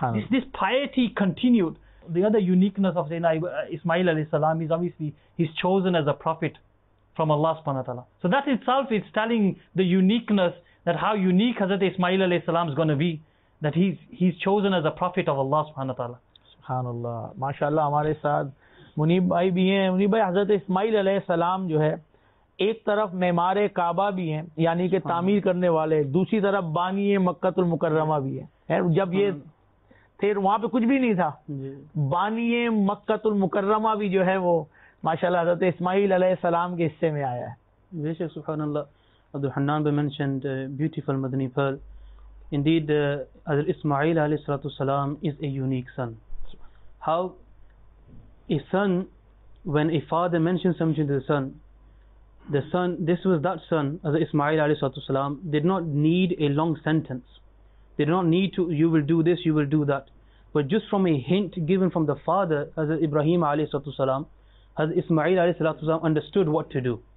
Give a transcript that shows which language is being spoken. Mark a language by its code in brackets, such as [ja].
[en] This piety continued. The other uniqueness of Sayyidina Ismail alayhi salam is obviously he's chosen as a prophet from Allah subhanahu wa ta'ala. So that itself is telling the uniqueness that how unique Hazrat Ismail alayhi salam is going to be, that he's chosen as a prophet of Allah subhanahu wa ta'ala. [ur] سبحان اللہ ماشاء اللہ. ہمارے ساتھ منیب بھائی بھی ہیں. منیب بھائی, حضرت اسماعیل علیہ السلام جو ہے ایک طرف معمار کعبہ بھی ہیں یعنی کہ تعمیر کرنے والے, دوسری طرف بانی مکہ المکرمہ بھی ہیں. جب یہ تھے وہاں پہ کچھ بھی نہیں تھا, بانی مکہ المکرمہ بھی جو ہے وہ ماشاء اللہ حضرت اسماعیل علیہ السلام کے حصے میں آیا ہے. بے شک سبحان اللہ. عبد الحنان بھی [en] mentioned beautiful [ur] مدنی پھل. [en] Indeed حضرت اسماعیل علیہ الصلوۃ والسلام is a unique son. How a son, when a father mentions something to the son, this was that son, as Ismail alayhi salam, did not need a long sentence. They did not need to, you will do this, you will do that. But just from a hint given from the father, as Ibrahim alayhi salam, as Ismail alayhi salam understood what to do.